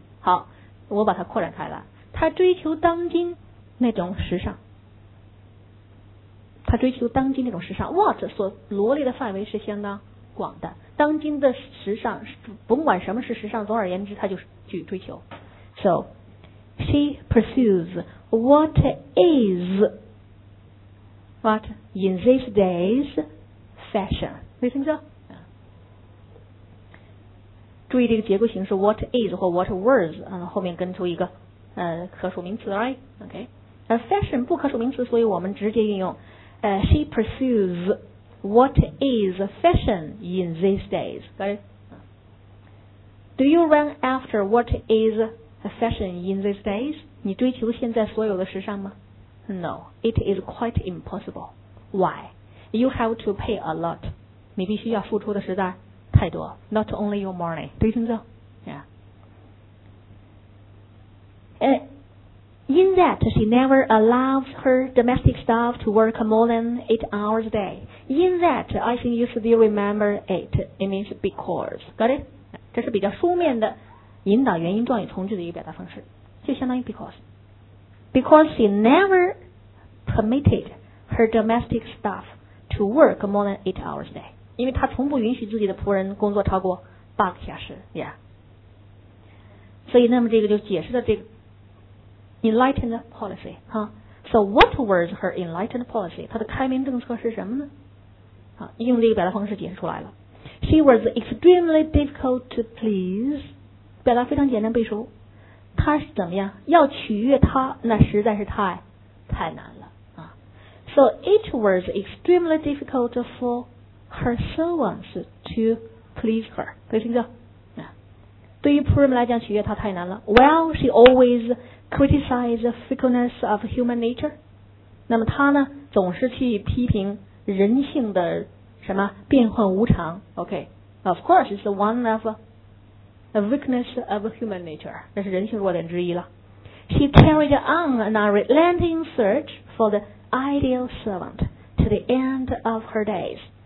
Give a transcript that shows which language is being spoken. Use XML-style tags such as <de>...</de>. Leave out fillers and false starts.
<zh>好，我把它扩展开来，他追求当今那种时尚，他追求当今那种时尚。 What 所罗列的范围是相当广的，当今的时尚甭管什么是时尚，总而言之他就是去追求。</zh> <en>So she pursues what is what in these days fashion.</en> <zh>没听清？注意这个结构形式， what is 或 what was、后面跟出一个可数名词，</zh> <en>right? OK。 Fashion</en> <zh>不可数名词，所以我们直接运用</zh> <en>she pursues what is fashion in these days. Got it? Do you run after what is fashion in these days?</en> <zh>你追求现在所有的时尚吗？</zh> <en>No, it is quite impossible. Why? You have to pay a lot.</en> <zh>你必须要付出的实在太多。</zh> <en>Not only your money.</en> <zh>对称奏？</zh> <en>Yeah. In that she never allows her domestic staff to work more than 8 hours a day. In that, I think you still remember it. It means because. Got it?</en> <zh>这是比较书面的引导原因状语从句的一个表达方式，就相当于 because.</zh> <en>Because she never permitted her domestic staff to work more than 8 hours a day.</en> <zh>因为她从不允许自己的仆人工作超过8个小时。 Yeah. 所以那么这个就解释了这个</zh> <en>Enlightened policy, huh? So what was her enlightened policy?</en> <zh>她的开明政策是什么呢？用这个表达方式解释出来了。</zh> <en>She was extremely difficult to please.</en> <zh>表达非常简单背熟。她是怎么样？要取悦她，那实在是太难了。</zh> <en>So it was extremely difficult for her servants to please her.</en> <zh>可以听着。对于仆人们来讲，取悦她太难了。</zh> <en>Well, she always... criticize the fickleness of human nature.</en> <zh>那么他呢总是去批评人性的什么变幻无常。</zh> <en>OK, of course it's one of the weakness of human nature.</en> <zh>那是人性弱点之一了。</zh> <en>She carried on an unrelenting search for the ideal servant to the end of her days.</en>